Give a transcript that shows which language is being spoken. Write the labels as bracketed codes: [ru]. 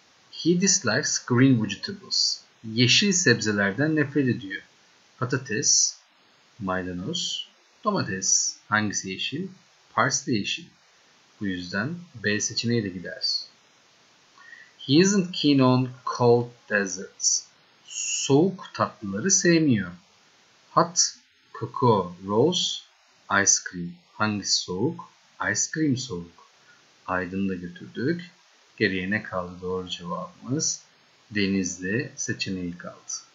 [en] He dislikes green vegetables. [tr] Yeşil sebzelerden nefret ediyor. Patates, maydanoz, domates. Hangisi yeşil? Parsley yeşil. Bu yüzden B seçeneği de gider. [en] He isn't keen on cold desserts. [tr] Soğuk tatlıları sevmiyor. [en] Hot, cocoa, rose, ice cream. [tr] Hangisi soğuk? [en] Ice cream soğuk. [tr] Aydın'da götürdük. Geriye ne kaldı? Doğru cevabımız Denizli seçeneği kaldı.